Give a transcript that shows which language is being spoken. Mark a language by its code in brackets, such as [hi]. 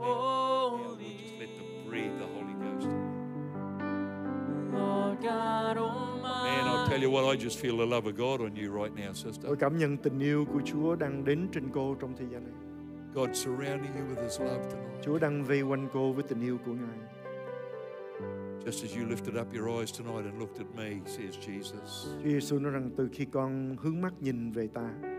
[en] Now, Lord, just let them breathe the Holy Ghost. Man, I'll tell you what, I just feel the love of God on you right now, sister. [vi] Tôi cảm nhận tình yêu của Chúa đang đến trên cô trong thời gian này. [en] God's surrounding you with His love tonight. [vi] Chúa đang vây quanh cô với tình yêu của Ngài. [en] Just as you lifted up your eyes tonight and looked at me, says Jesus. [vi] Chúa Giêsu nói rằng từ khi con hướng mắt nhìn về ta.